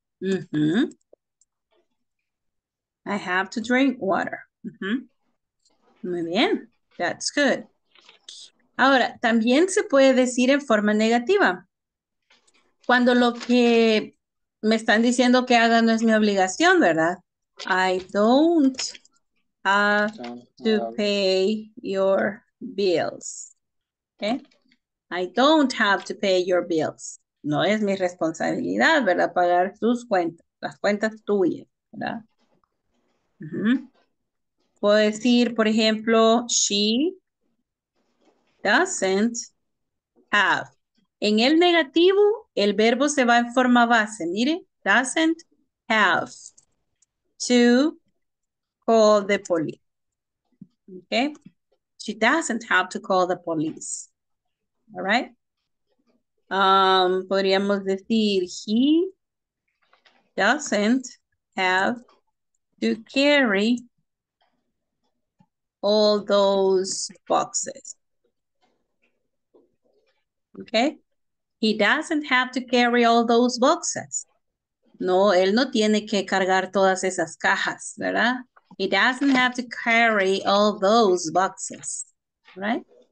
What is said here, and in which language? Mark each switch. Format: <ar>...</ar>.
<en>I have to drink water.</en> <es>Muy bien.</es> <en>That's good.</en> <es>Ahora, también se puede decir en forma negativa. Cuando lo que me están diciendo que haga no es mi obligación, ¿verdad?</es> <en>I don't have to pay your bills. ¿Okay? I don't have to pay your bills.</en> <es>No es mi responsabilidad, ¿verdad? Pagar sus cuentas, las cuentas tuyas, ¿verdad? Uh-huh. Puedo decir, por ejemplo,</es> <en>she doesn't have.</en> <es>En el negativo, el verbo se va en forma base.</es> <en>Mire, doesn't have to call the police. Okay? She doesn't have to call the police. All right?</en> <es>Podríamos decir,</es> <en>he doesn't have to carry all those boxes. Okay? He doesn't have to carry all those boxes.</en> <es>No, él no tiene que cargar todas esas cajas, ¿verdad?</es> <en>He doesn't have to carry all those boxes, right?</en>